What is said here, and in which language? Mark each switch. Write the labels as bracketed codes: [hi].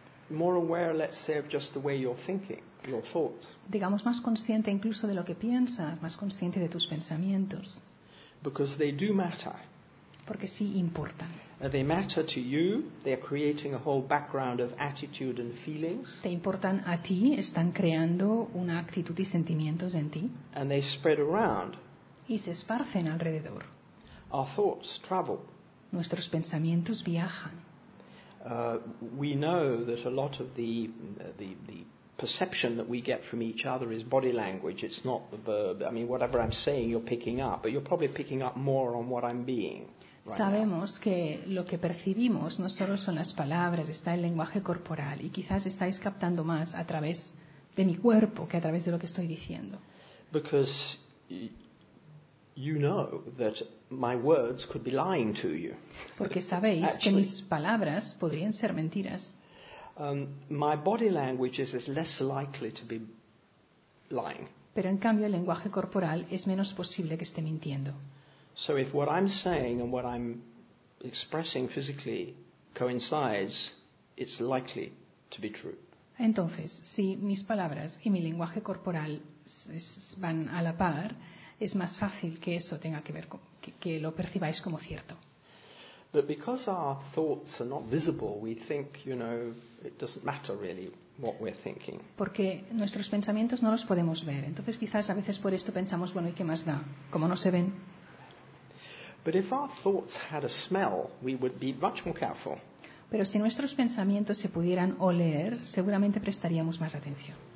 [en] More aware, let's say, of just the way you're thinking, your thoughts. [es] Digamos más consciente incluso de lo que piensas, más consciente de tus pensamientos. [en] Because they do matter. [es] Porque sí importan. [en] They matter to you. They are creating a whole background of attitude and feelings. [es] Te importan a ti. Están creando una actitud y sentimientos en ti. [en] And they spread around. [es] Y se esparcen alrededor. [en] Our thoughts travel. [es] Nuestros pensamientos viajan. [en] We know that a lot of the perception that we get from each other is body language. It's not the verb. I mean, whatever I'm saying, you're picking up, but you're probably picking up more on what I'm being. Right. [es] Sabemos que lo que percibimos no solo son las palabras, está el lenguaje corporal, y quizás estáis captando más a través de mi cuerpo que a través de lo que estoy diciendo. [en] Because you know that my words could be lying to you. [es] Porque sabéis [en] actually, [es] que mis palabras podrían ser mentiras. [en] My body language is less likely to be lying. [es] Pero en cambio el lenguaje corporal es menos posible que esté mintiendo. [en] So if what I'm saying and what I'm expressing physically coincides, it's likely to be true. [es] Entonces, si mis palabras y mi lenguaje corporal van a la par, es más fácil que eso tenga que ver con, que lo percibáis como cierto. [en] But because our thoughts are not visible, we think, you know, it doesn't matter really what we're thinking. [es] Porque nuestros pensamientos no los podemos ver. Entonces, quizás a veces por esto pensamos, bueno, ¿y qué más da? Como no se ven. [en] But if our thoughts had a smell, we would be much more careful. [es] Pero si nuestros pensamientos se pudieran oler, seguramente prestaríamos más atención.